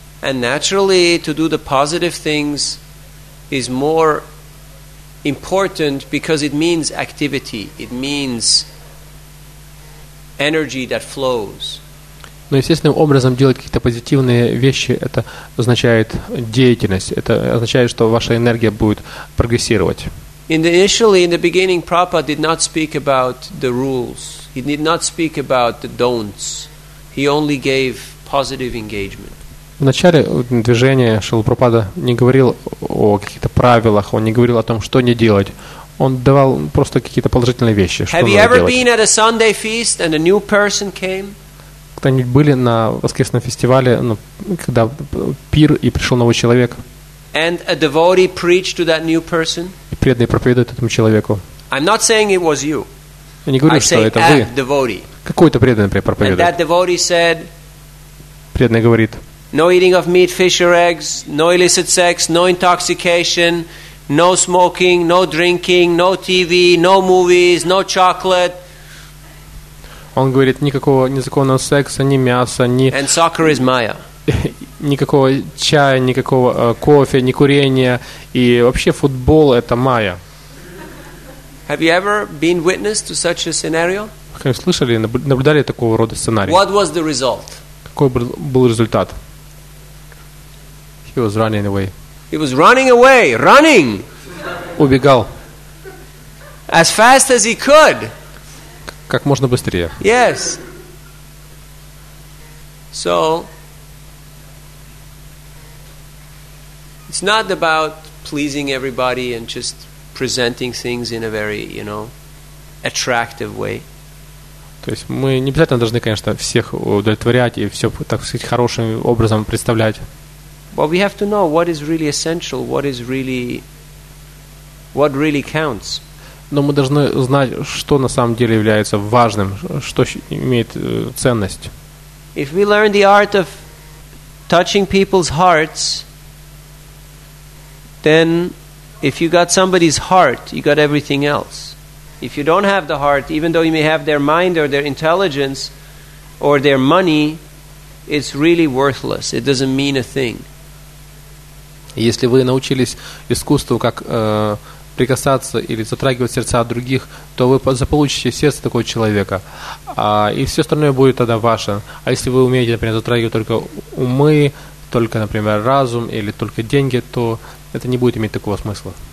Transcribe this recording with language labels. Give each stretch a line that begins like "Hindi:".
English: And naturally, to do the positive things is more important because it means activity, it means energy that flows.
Russian: Но естественным образом делать какие-то позитивные вещи, это означает деятельность. Это означает, что ваша энергия будет прогрессировать.
English: In the beginning, Prabhupada did not speak about the rules. He did not speak about the don'ts. He only gave positive engagement.
Russian: В начале движения Шрила Прабхупада не говорил о каких-то правилах. Он не говорил о том, что не делать. Он давал просто какие-то положительные вещи.
English: Have you ever been at a Sunday feast and a new person came?
Russian: Они были на воскресном фестивале, ну, когда пир, и пришел новый человек.
English: And a devotee preached to that new person.
Russian: И преданный проповедует этому человеку.
English: I'm not saying it was you.
Russian: Я не говорю, что это вы.
English: Devotee.
Russian: Какой-то преданный проповедует.
English: And that devotee said,
Russian: преданный говорит,
English: no eating of meat, fish or eggs, no illicit sex, no intoxication, no smoking, no drinking, no TV, no movies, no chocolate.
Russian: Он говорит, никакого незаконного секса, ни мяса, ни...
English: And soccer is Maya.
Russian: Никакого чая, никакого кофе, ни курения. И вообще футбол – это Maya.
English: Have you ever been witness to such a scenario?
Russian: Вы слышали, наблюдали такого рода сценарий?
English: What was the result?
Russian: Какой был результат?
English: He was running away. He was running away, running!
Russian: Убегал.
English: As fast as he could.
Russian: Как можно быстрее.
English: Yes. So, it's not about pleasing everybody and just presenting things in a very, you know, attractive way.
Russian: То есть мы не обязательно должны, конечно, всех удовлетворять и все, так сказать, хорошим образом представлять.
English: But we have to know what is really essential, what really counts.
Russian: Но мы должны знать, что на самом деле является важным, что имеет ценность.
English: If we learn the art of touching people's hearts, then if you got somebody's heart, you got everything else. If you don't have the heart, even though you may have their mind or their intelligence or their money, it's really worthless. It doesn't mean a thing.
Russian: Если вы научились искусству, как прикасаться или затрагивать сердца других, то вы заполучите сердце такого человека. И все остальное будет тогда ваше. А если вы умеете, например, затрагивать только умы, только, например, разум или только деньги, то это не будет иметь такого смысла.